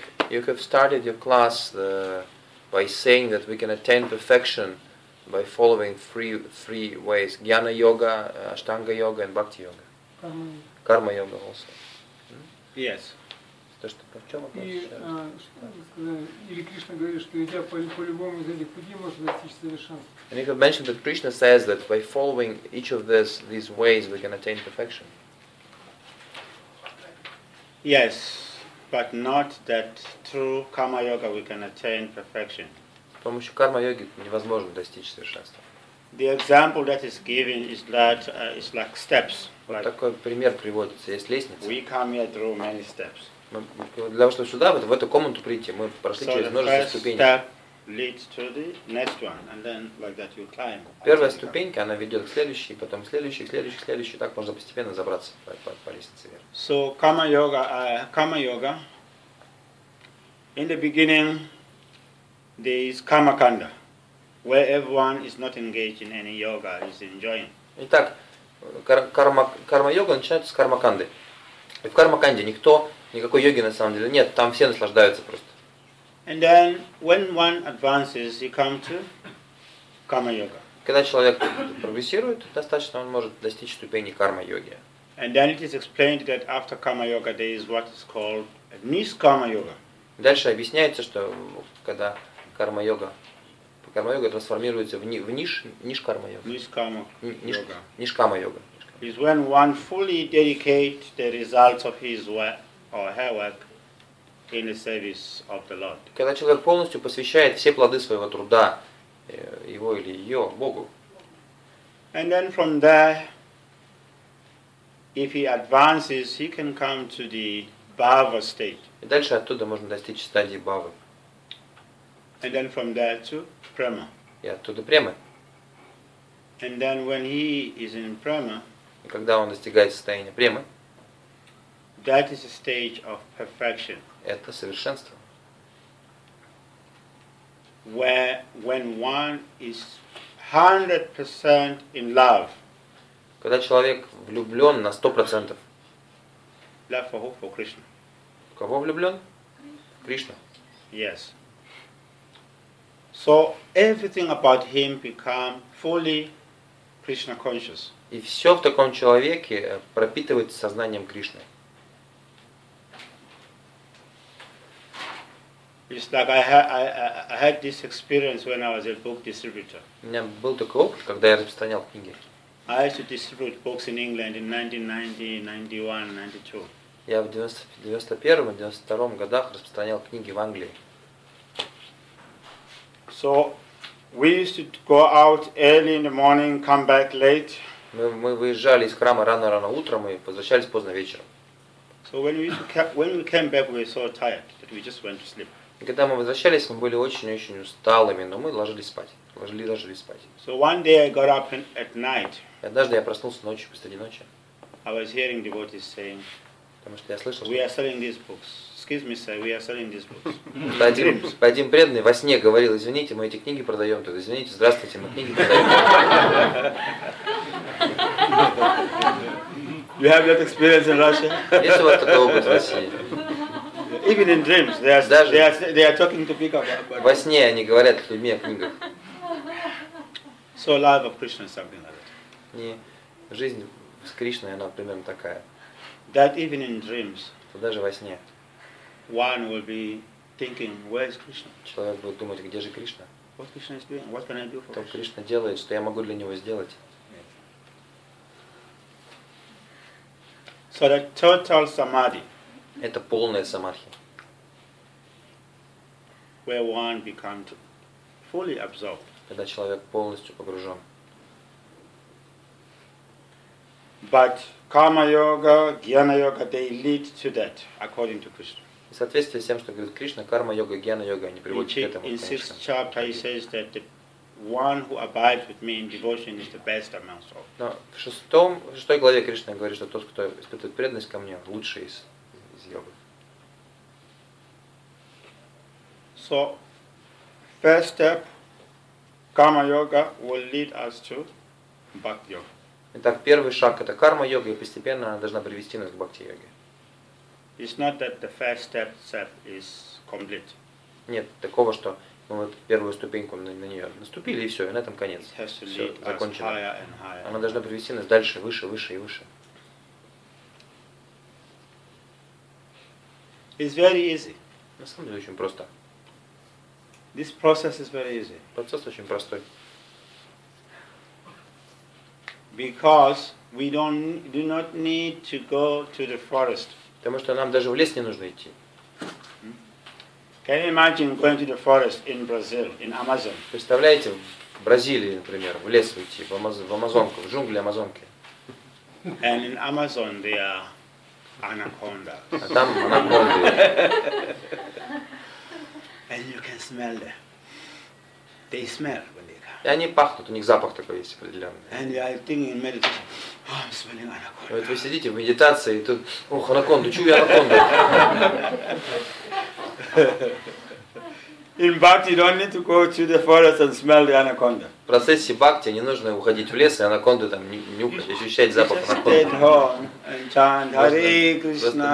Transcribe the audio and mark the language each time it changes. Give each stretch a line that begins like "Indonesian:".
English: You have started your class by saying that we can attain perfection by following three ways: Jnana Yoga, Ashtanga Yoga, and Bhakti Yoga. Karma Yoga also. Yes.
Russian: То что по чем или Кришна говорит, что идя по любому из этих путей можно достичь совершенства.
English: And you have mentioned that Krishna says that by following each of these ways we can attain perfection. Yes, but not that through karma yoga we can attain perfection.
Russian: С помощью карма йоги невозможно достичь совершенства.
English: The example that is given is that it's like steps.
Russian: Вот такой пример приводится, есть лестница.
English: We come here through many steps.
Russian: Для того, чтобы сюда, в эту комнату прийти, мы прошли через множество ступеней.
English: Step leads to the next one, and then like that you climb.
Russian: Первая ступенька, она ведет к следующей, потом следующей, так можно постепенно забраться по лестнице вверх.
English: So karma yoga. In the beginning, there is karma kanda, where everyone is not engaged in any yoga, is enjoying.
Russian: Итак, карма йога начинается с карма канды. И в карма канде никто, никакой йоги на самом деле нет, там все наслаждаются просто.
English: And then when one advances, he comes to karma yoga.
Russian: Когда человек прогрессирует, достаточно он может достичь ступени карма йоги.
English: And then it is explained that after karma yoga there is what is called niskarma yoga.
Russian: Дальше объясняется, что когда карма йога трансформируется в нишкарма йога. Нишкарма йога.
English: Is when one fully dedicates the results of his work or her work in the service of the Lord.
Russian: Когда человек полностью посвящает все плоды своего труда его или ее Богу.
English: And then from there, if he advances, he can come to the bhava state.
Russian: И дальше оттуда можно достичь стадии бхавы.
English: And then from there to prema.
Russian: И оттуда према.
English: And then when he is in prema.
Russian: И когда он достигает состояния премы.
English: That is a stage of perfection.
Russian: Это совершенство.
English: Where when one is 100% in love.
Russian: Когда человек влюблен на 100%.
English: Love for who? For Krishna.
Russian: Кого влюблен? Кришна.
English: Yes. So everything about him become fully Krishna conscious.
Russian: И все в таком человеке пропитывается сознанием Кришны.
English: It's like I had this experience when I was a book distributor.
Russian: У меня был такой опыт, когда я распространял книги.
English: I used to distribute books in England in 1990, 91, 92.
Russian: Я в 91-92 годах распространял книги в Англии.
English: So we used to go out early in the morning, come back late.
Russian: Мы выезжали из храма рано-рано утром и возвращались поздно вечером.
English: So when we came back, we were so tired that we just went to sleep.
Russian: Когда мы возвращались, мы были очень-очень усталыми, но мы ложились спать.
English: So one day I got up at night.
Russian: Однажды я проснулся ночью посреди ночи.
English: I was hearing devotees saying.
Russian: Потому что я слышал.
English: We are selling these books. Excuse me, sir. We are selling these books.
Russian: Один преданный во сне говорил: извините, мы эти книги продаем. Тут извините, здравствуйте, мы книги продаем.
English: You have that experience in Russia?
Russian: Есть у вас такой опыт в России?
English: Even in dreams, they are talking to people.
Russian: Во сне они говорят с людьми о книгах.
English: So life of Krishna is something like that.
Russian: Не, жизнь с Кришной она примерно такая.
English: That even in dreams.
Russian: То даже во сне.
English: One will be thinking, where is Krishna?
Russian: Человек будет думать, где же Кришна?
English: What Krishna is doing? What can I do for Krishna?
Russian: Что Кришна делает, что я могу для него сделать?
English: So the total samadhi.
Russian: Это полная самадхи.
English: Where one becomes fully absorbed.
Russian: Когда человек полностью погружен.
English: But karma yoga, jnana yoga, they lead to that, according to Krishna.
Russian: В соответствии с тем, что говорит Кришна, карма йога, гьяна йога не приводит к этому.
English: In sixth chapter, he says that the one who abides with me in devotion is the best among souls.
Russian: Но в шестой главе Кришна говорит, что тот, кто испытывает преданность ко мне, лучший из йогов.
English: So, first step, karma yoga will lead us to bhakti yoga.
Russian: Итак, первый шаг это карма йога, и постепенно она должна привести нас к бхакти йоге.
English: It's not that the first step itself is complete.
Russian: Нет такого, что мы вот первую ступеньку на нее наступили и все, и на этом конец.
English: It has to lead us
Russian: закончено.
English: Higher and higher.
Russian: Она должна привести нас дальше, выше, выше и выше.
English: It's very easy.
Russian: На самом деле очень просто.
English: This process is very easy.
Russian: Процесс очень простой.
English: Because we do not need to go to the forest.
Russian: Потому что нам даже в лес не нужно идти.
English: Can you imagine going to the forest in Brazil, in Amazon?
Russian: Представляете, в Бразилии, например, в лес идти, в Амазонку, в джунгли Амазонки.
English: And in Amazon there are anacondas.
Russian: А там анаконды.
English: And you can smell them. They smell.
Russian: И они пахнут, у них запах такой есть определенный.
English: And I think in meditation, oh, I'm smelling anaconda.
Russian: Вот вы сидите в медитации, и тут, ох, анаконда, чую я анаконду.
English: In bhakti, you don't need to go to the forest and smell the anaconda.
Russian: В процессе бхакти не нужно уходить в лес и анаконду там нюхать, ощущать запах анаконды.
English: Just stay at home and chant Hare Krishna.